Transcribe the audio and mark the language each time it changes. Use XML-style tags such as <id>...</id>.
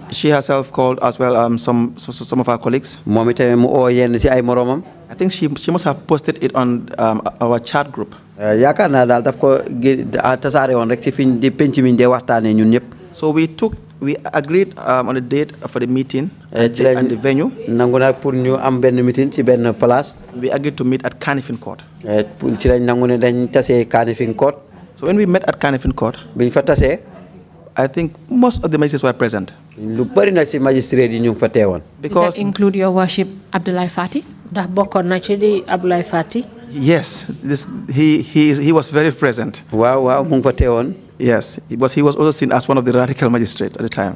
<en>She herself called as well some of our colleagues. I think she must have posted it on our chat group.</en> <wo>Yakarna dal daf ko tassare won rek ci fiñ di pench miñ de waxtane ñun ñep.</wo> <en>So we agreed on a date for the meeting and the venue.</en> <wo>Nanguna pour ñu am ben meeting ci ben place.</wo> <en>We agreed to meet at Kanifing court.</en> <wo>Pour ci lañ nanguna dañ tassé Kanifing court.</wo> <en>So when we met at Kanifing court,</en> <wo>biñ fa tassé,</wo> <en>I think most of the magistrates were present.</en> <wo>Lu bari na ci magistrate yi ñu fa téwon.</wo> <en>Because did that include your worship Abdullahi Fati?</en> <wo>Ndax bokon na ci di Abdoulaye Fati</wo> <en>yes this he was very present</en> <wo>wow mu ngi fa téwon</wo> <en>yes because he was also seen as one of the radical magistrates at the time</en>